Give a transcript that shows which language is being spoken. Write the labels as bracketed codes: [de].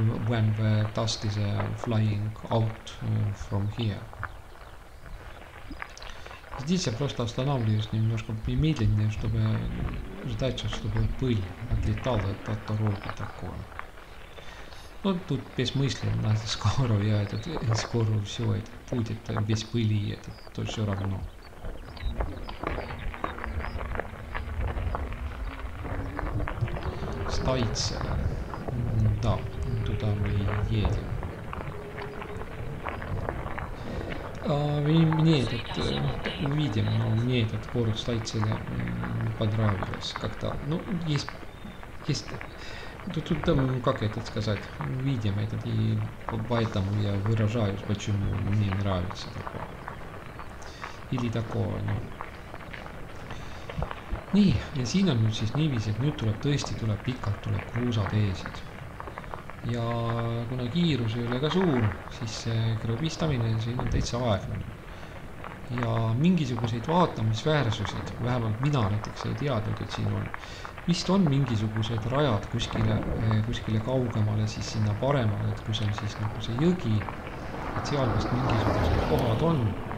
[en] When the dust is flying out from here. [ru] Здесь я просто останавливаюсь немножко помедленнее, чтобы ждать, чтобы пыль отлетала от дороги такое. Ну, тут бессмысленно, скоро я этот, скоро все это будет, без пыли это, то все равно. Стоится. Да, туда мы едем. Мне этот, увидим, но мне этот город Стайцеля понравилось как-то. Ну, есть, тут там, как это сказать, увидим этот, и поэтому я выражаюсь, почему мне нравится такое. Или такое, ну. [et] Нii, ja siin on nüüd siis niiviisi, et nüüd tuleb tõesti, tuleb pikalt, tuleb kruusateesid. Ja kuna kiirus ei ole ka suur, siis see krõbistamine siin on täitsa aeglane. Ja mingisuguseid vaatamisväärsused, vähemalt mina näiteks ei teadnud, et siin on, vist on mingisugused rajad kuskile kaugemale, siis sinna paremale, et kus on siis nagu see jõgi, et seal vist mingisugused kohad on.